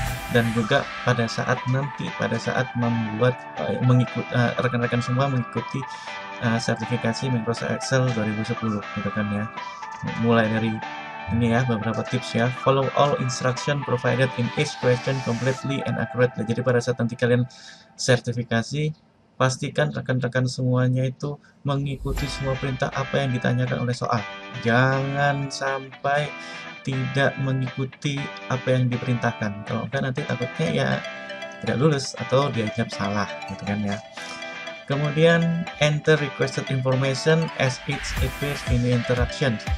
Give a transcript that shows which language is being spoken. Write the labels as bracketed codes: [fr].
[id] Dan juga pada saat nanti, pada saat membuat rekan-rekan semua mengikuti sertifikasi Microsoft Excel 2010 gitu kan ya. Mulai dari ini ya, beberapa tips ya. [en] Follow all instruction provided in each question completely and accurately. [id] Jadi pada saat nanti kalian sertifikasi, pastikan rekan-rekan semuanya itu mengikuti semua perintah apa yang ditanyakan oleh soal. Jangan sampai tidak mengikuti apa yang diperintahkan. Kalau enggak nanti takutnya ya tidak lulus atau dianggap salah, gitu kan ya. Kemudian [en] enter requested information as it appears in the interaction.